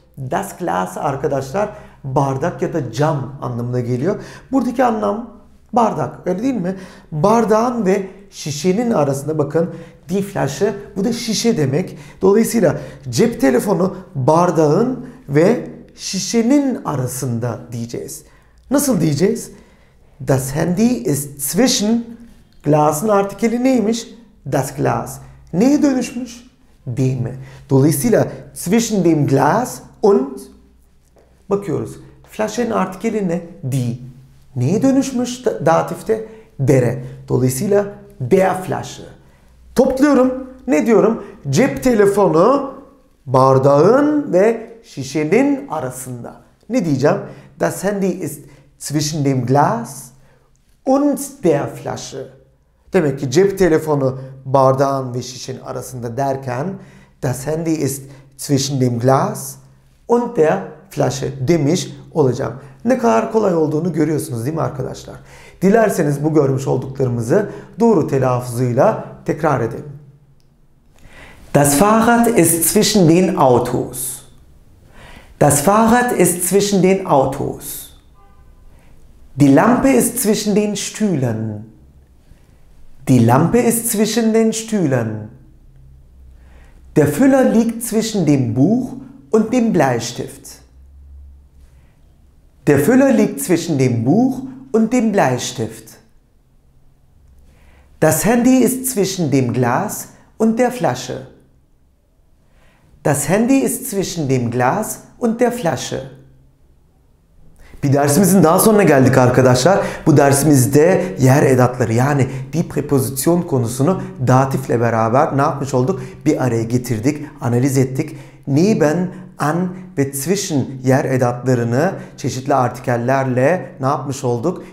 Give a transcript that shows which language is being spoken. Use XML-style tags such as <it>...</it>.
<tr>Das Glas arkadaşlar bardak ya da cam anlamına geliyor. Buradaki anlam bardak, öyle değil mi? Bardağın ve şişenin arasında bakın. Die Flasche, bu da şişe demek. Dolayısıyla cep telefonu bardağın ve şişenin arasında diyeceğiz. Nasıl diyeceğiz?</tr> <de>Das Handy ist zwischen,</de> <tr>Glas'ın artikeli neymiş? Das Glas. Neye dönüşmüş? dem. Dolayısıyla</tr> <de>zwischen dem Glas und</de> <tr>bakıyoruz. Flaschen artikeli ne? Die. Neye dönüşmüş datifte? Dere. Dolayısıyla der Flasche. Topluyorum. Ne diyorum? Cep telefonu bardağın ve şişenin arasında. Ne diyeceğim?</tr> <de>Das Handy ist zwischen dem Glas und der Flasche.</de> <tr>Demek ki cep telefonu bardağın ve şişenin arasında derken</tr> <de>das Handy ist zwischen dem Glas und der Flasche</de> <tr>demiş olacağım. Ne kadar kolay olduğunu görüyorsunuz değil mi arkadaşlar? Dilerseniz bu görmüş olduklarımızı doğru telaffuzuyla tekrar edelim.</tr> <de>Das Fahrrad ist zwischen den Autos. Das Fahrrad ist zwischen den Autos. Die Lampe ist zwischen den Stühlen. Die Lampe ist zwischen den Stühlen. Der Füller liegt zwischen dem Buch und dem Bleistift. Der Füller liegt zwischen dem Buch und dem Bleistift. Das Handy ist zwischen dem Glas und der Flasche. Das Handy ist zwischen dem Glas und der Flasche.</de> <tr>Bir dersimizin daha sonuna geldik arkadaşlar. Bu dersimizde yer edatları yani die preposition konusunu datifle beraber ne yapmış olduk? Bir araya getirdik, analiz ettik. Neben, an ve zwischen yer edatlarını çeşitli artikellerle ne yapmış olduk?</tr>